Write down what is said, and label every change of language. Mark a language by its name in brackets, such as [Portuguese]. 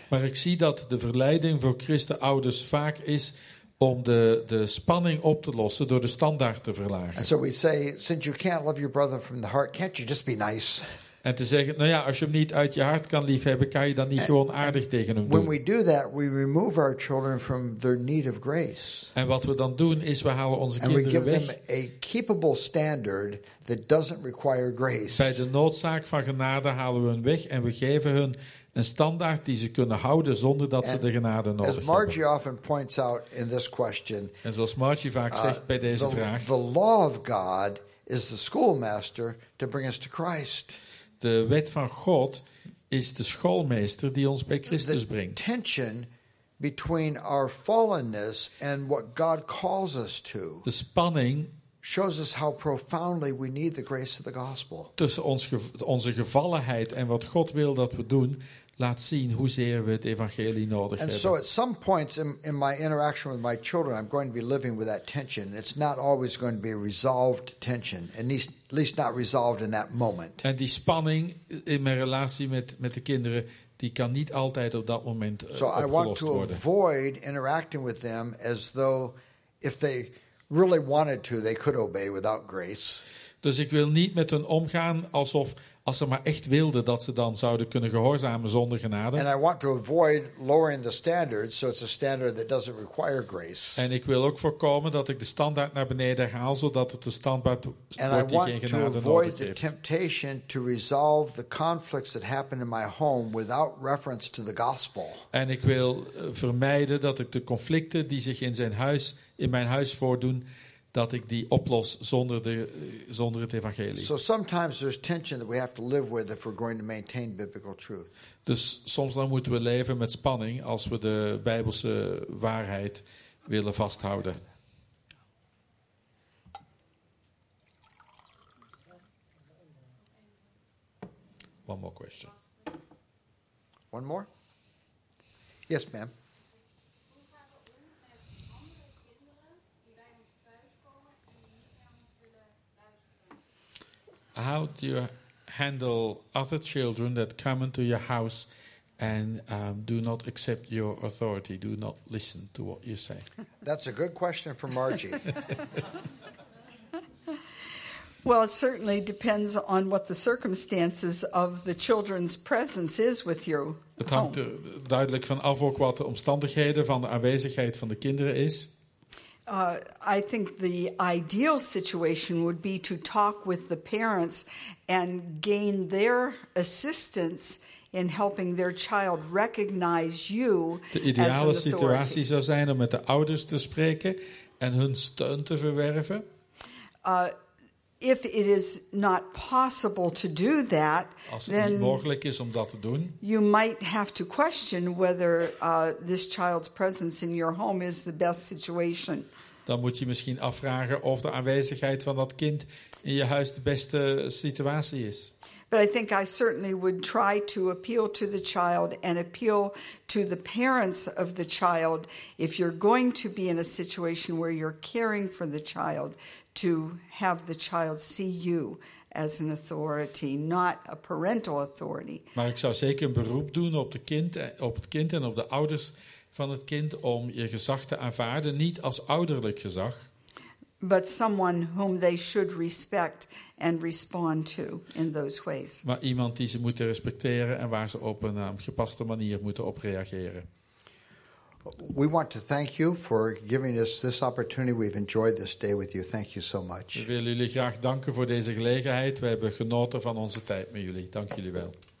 [Dutch] Maar ik zie dat de verleiding voor christenouders vaak is om de spanning op te lossen door de standaard te verlagen. [English] And so we say, since you can't love your brother from the heart, can't you just be nice? [Dutch] En te zeggen, nou ja, als je hem niet uit je hart kan liefhebben, kan je dan niet gewoon aardig tegen hem doen? [English] When we do that, we remove our children from their need of grace. [Dutch] En wat we dan doen is, we halen onze [English] and [Dutch] kinderen weg. [English] And we give them a keepable standard that doesn't require grace. [Dutch] Bij de noodzaak van genade halen we hun weg en we geven hun een standaard die ze kunnen houden zonder dat ze de genade nodig hebben. [English] As Margie often points out in this question, [Dutch] en zoals Margie vaak zegt bij deze vraag, [English] the law of God is the schoolmaster to bring us to Christ. [Dutch] De wet van God is de schoolmeester die ons bij Christus brengt. [English] The tension between our fallenness and what God calls us to. [Dutch] De spanning [English] shows us how profoundly we need the grace of the gospel. [Dutch] Tussen onze gevallenheid en wat God wil dat we doen, laat zien hoezeer we het evangelie nodig [English] and And so at some points in my interaction with my children, I'm going to be living with that tension. It's not always going to be a resolved tension, at least not resolved in that moment. [Dutch] En die spanning in mijn relatie met de kinderen, die kan niet altijd op dat moment opgelost worden. [English] So I want to avoid interacting with them as though if they really wanted to, they could obey without grace. [Dutch] Dus ik wil niet met hun omgaan alsof als ze maar echt wilden dat ze dan zouden kunnen gehoorzamen zonder genade. [English] And I want to avoid lowering the standard, so it's a standard that doesn't require grace. [Dutch] En ik wil ook voorkomen dat ik de standaard naar beneden haal, zodat het de standaard wordt die geen genade nodig heeft. [English] And I want to avoid the temptation to resolve the conflicts that happen in my home without reference to the gospel. [Dutch] En ik wil vermijden dat ik de conflicten die zich in mijn huis voordoen, dat ik die oplos zonder het evangelie. [English] So sometimes there's tension that we have to live with if we're going to maintain biblical truth. [Dutch] Dus soms dan moeten we leven met spanning als we de Bijbelse waarheid willen vasthouden. [English] One more question. One more? Yes, ma'am. How do you handle other children that come into your house and do not accept your authority, do not listen to what you say? That's a good question for Margie. Well, it certainly depends on what the circumstances of the children's presence is with you. [Dutch] Het hangt er duidelijk van af ook wat de omstandigheden van de aanwezigheid van de kinderen is. [English] I think the ideal situation would be to talk with the parents and gain their assistance in helping their child recognize you as an authority. [Dutch] De ideale situatie zou zijn om met de ouders te spreken en hun steun te verwerven. [English] If it is not possible to do that, [Dutch] als het niet mogelijk is om dat te doen, [English] you might have to question whether this child's presence in your home is the best situation. [Dutch] Dan moet je misschien afvragen of de aanwezigheid van dat kind in je huis de beste situatie is. [English] But I think I certainly would try to appeal to the child and appeal to the parents of the child if you're going to be in a situation where you're caring for the child, to have the child see you as an authority, not a parental authority. [Dutch] Maar ik zou zeker een beroep doen op de kind, op het kind en op de ouders van het kind om je gezag te aanvaarden, niet als ouderlijk gezag. [English] But someone whom they should respect and respond to in those ways. [Dutch] Maar iemand die ze moeten respecteren en waar ze op een gepaste manier moeten op reageren. [English] We want to thank you for giving us this opportunity. We've enjoyed this day with you. Thank you so much. [Dutch] We willen jullie graag danken voor deze gelegenheid. We hebben genoten van onze tijd met jullie. Dank jullie wel.